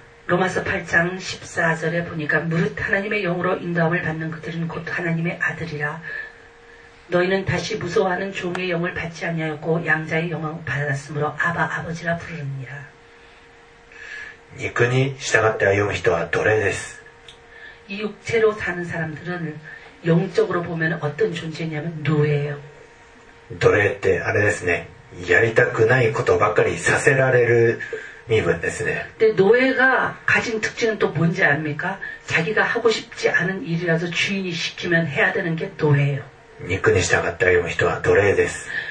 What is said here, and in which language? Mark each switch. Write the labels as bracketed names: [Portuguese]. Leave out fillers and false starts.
[Korean] 로마서8장14절에보니까무릇하나님의영으로인도함을받는것들은곧하나님의아들이라너희는다시무서워하는종의영을받지않냐였고양자의영을받았으므로아바아버지라부르느니라 육에 [Japanese] 従って歩む人は奴隷です。 [Korean] 이육체로사는사람들은영적으로보면어떤존재냐면노예예요 [Japanese] 奴隷ってあれですね、やりたくないことばかりさせられる身分ですね。 [Korean] 근데노예가가진특징은또뭔지압니까자기가하고싶지않은일이라서주인이시키면해야되는게노예예요 [Japanese] 肉に従って歩む人は奴隷です。